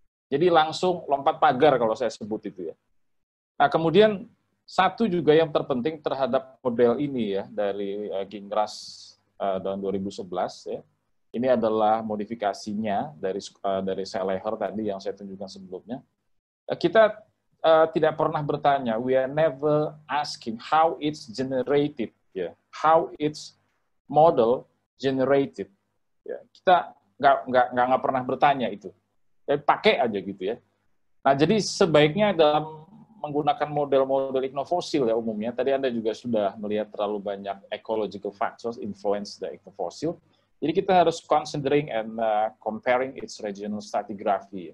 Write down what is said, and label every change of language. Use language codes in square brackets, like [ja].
[id] Jadi langsung lompat pagar kalau saya sebut itu ya. Nah kemudian satu juga yang terpenting terhadap model ini ya dari Gingras tahun 2011 ya. Ini adalah modifikasinya dari Seleher tadi yang saya tunjukkan sebelumnya. [en] Kita tidak pernah bertanya, we are never asking how it's generated ya, how it's model generated. [id] Ya, kita nggak pernah bertanya itu. Pakai aja gitu ya. Nah, jadi sebaiknya dalam menggunakan model-model ignifossil ya umumnya, tadi Anda juga sudah melihat terlalu banyak ecological factors influence the ignifossil. [en] Jadi kita harus considering and comparing its regional stratigraphy.